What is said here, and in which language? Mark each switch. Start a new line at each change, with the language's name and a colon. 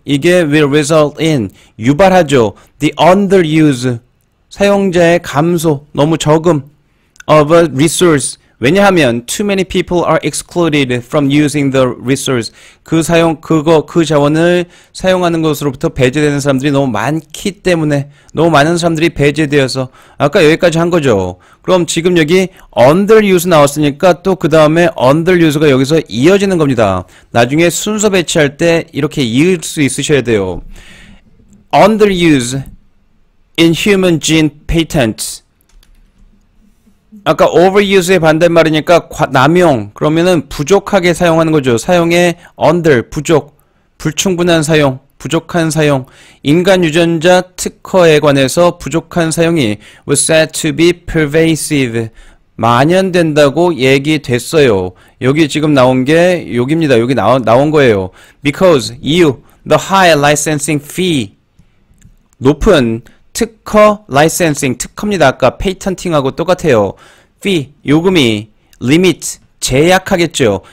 Korean: 이게
English: will result in
Korean: 유발하죠.
English: The underuse
Korean: 사용자의 감소, 너무 적음.
English: of a resource. 왜냐하면 too many people are excluded from using the resource.
Korean: 그 자원을 사용하는 것으로부터 배제되는 사람들이 너무 많기 때문에 너무 많은 사람들이 배제되어서 아까 여기까지 한 거죠. 그럼 지금 여기 underuse 나왔으니까 또그 다음에 underuse가 여기서 이어지는 겁니다. 나중에 순서 배치할 때 이렇게 이을 수 있으셔야 돼요.
English: underuse in human gene patents.
Korean: 아까 overuse의 반대말이니까 남용. 그러면은 부족하게 사용하는 거죠. 사용에 under, 부족, 불충분한 사용, 부족한 사용. 인간 유전자 특허에 관해서 부족한 사용이
English: was said to be pervasive,
Korean: 만연된다고 얘기됐어요. 여기 지금 나온 게 여기입니다. 여기 나온 거예요.
English: Because you, the high licensing fee,
Korean: 높은 특허
English: licensing,
Korean: 특허입니다. 아까 patenting하고 똑같아요. fee, 요금이, limit, 제약하겠죠.